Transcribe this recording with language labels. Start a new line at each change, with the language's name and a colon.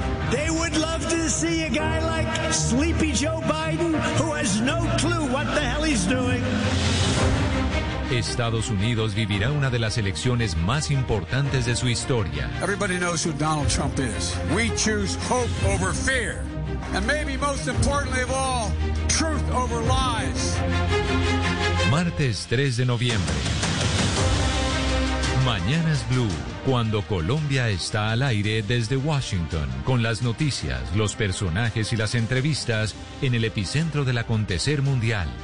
English: They would love to see a guy like Sleepy Joe Biden, who has no clue what the hell he's doing.
Spanish: Estados Unidos vivirá una de las elecciones más importantes de su historia.
English: Everybody knows who Donald Trump is. We choose hope over fear. And maybe most importantly of all, truth over lies.
Spanish: Martes 3 de noviembre. Mañanas Blue, cuando Colombia está al aire desde Washington, con las noticias, los personajes y las entrevistas en el epicentro del acontecer mundial.